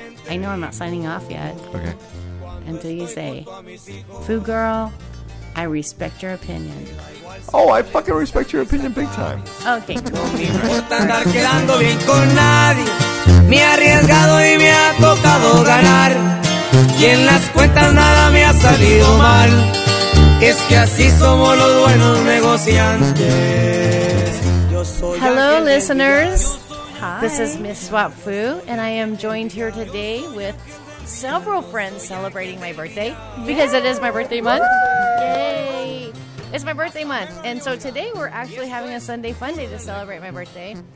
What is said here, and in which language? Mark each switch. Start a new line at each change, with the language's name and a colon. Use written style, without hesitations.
English: I know I'm not signing off yet. Okay. Until you say, Food Girl, I respect your opinion. Oh, I fucking respect your opinion big time. Okay, cool.
Spanish: No me importa andar quedando bien con nadie. Me he arriesgado y me ha tocado ganar. Y en las cuentas nada me ha salido mal. Es que así somos los buenos negociantes.
English: Hello, listeners. Hi. This is Miss Swap Fu, and I am joined here today with several friends celebrating my birthday because it is my birthday month. Yay! It's my birthday month. And so today we're actually having a Sunday fun day to celebrate my birthday.